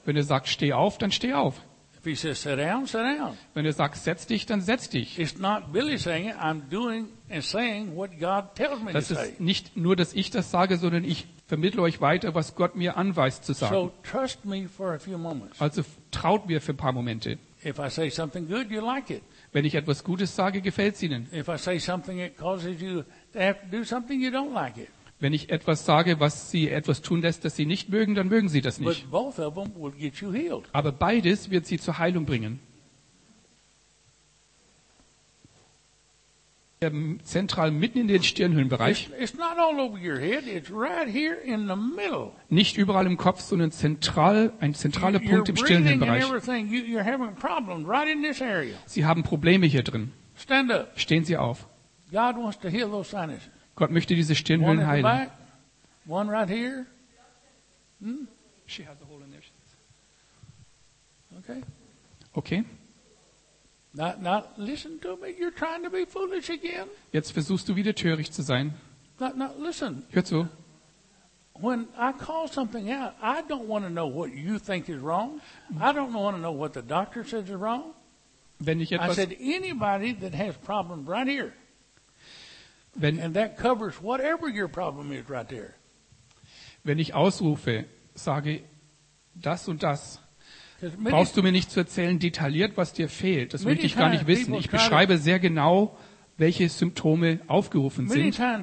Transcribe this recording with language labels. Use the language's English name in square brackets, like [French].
[German] Wenn er sagt, steh auf, dann steh auf. [English] If he says sit down, sit down. [German] Wenn er sagt, setz dich, dann setz dich. [English] It's not Billy saying it. I'm doing and saying what God tells me to say. [German] Das ist nicht nur, dass ich das sage, sondern ich vermittle euch weiter, was Gott mir anweist zu sagen. [English] So trust me for a few moments. [German] Also traut mir für ein paar Momente. [English] If I say something good, you like it. [German] Wenn ich etwas Gutes sage, gefällt es Ihnen. [English] If I say something, it causes you to have to do something you don't like it. [German] Wenn ich etwas sage, was Sie etwas tun lässt, das Sie nicht mögen, dann mögen Sie das nicht. [English] But both of them will get you healed. [German] Aber beides wird Sie zur Heilung bringen. zentral mitten in den Stirnhöhlenbereich. [English] It's not all over your head, it's right here in the middle. [German] Nicht überall im Kopf, sondern zentral, ein zentraler [English] you're [German] Punkt im Stirnhöhlenbereich. [English] You're having problems right in this area. [German] Sie haben Probleme hier drin. [English] Stand up. [German] Stehen Sie auf. [English] God wants to heal those sinuses. [German] Gott möchte diese Stirnhöhlen [English] one [German] heilen. [English] Back, one right here. Hm? She has a hole in there. Okay. Okay. Not listen to me. You're trying to be foolish again. [German] Jetzt versuchst du wieder töricht zu sein. [English] Not listen. [German] Hör zu. [English] When I call something out, I don't want to know what you think is wrong. I don't want to know what the doctor says is wrong. [German] Wenn ich etwas [English] I said anybody that has problems right here. [German] Wenn [English] and that covers whatever your problem is right there. [German] Wenn ich ausrufe, sage das und das. Brauchst du mir nicht zu erzählen, detailliert, was dir fehlt. Das möchte ich gar nicht wissen. Ich beschreibe sehr genau, welche Symptome aufgerufen sind.